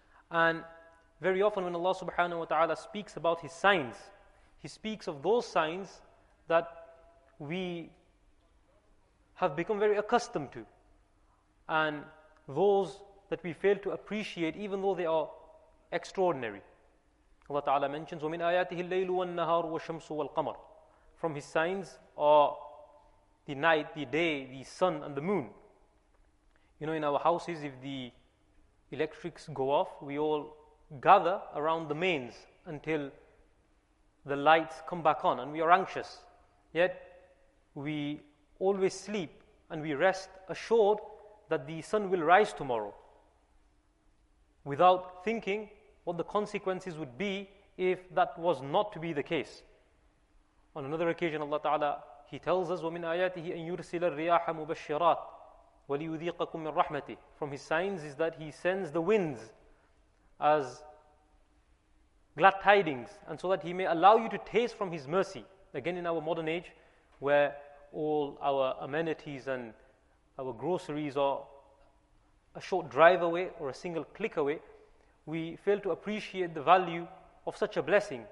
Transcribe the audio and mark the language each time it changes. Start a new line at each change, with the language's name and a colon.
English: And very often when Allah subhanahu wa ta'ala speaks about His signs, He speaks of those signs that we have become very accustomed to, and those that we fail to appreciate even though they are extraordinary. Allah ta'ala mentions,
Arabic: وَمِنْ آيَاتِهِ اللَّيْلُ وَالنَّهَارُ وَالشَّمْسُ وَالْقَمَرُ.
English: From His signs are the night, the day, the sun and the moon. You know, in our houses, if the electrics go off, we all gather around the mains until the lights come back on and we are anxious. Yet, we always sleep and we rest assured that the sun will rise tomorrow without thinking what the consequences would be if that was not to be the case. On another occasion, Allah Ta'ala, He tells us,
Arabic: وَمِنْ آيَاتِهِ أَنْ يُرْسِلَ الرِّيَاحَ مُبَشِّرَاتٍ وَلِيُذِيقَكُمْ مِنْ رَحْمَتِهِ.
English: From His signs is that He sends the winds as glad tidings, and so that He may allow you to taste from His mercy. Again, in our modern age, where all our amenities and our groceries are a short drive away or a single click away, we fail to appreciate the value of such a blessing.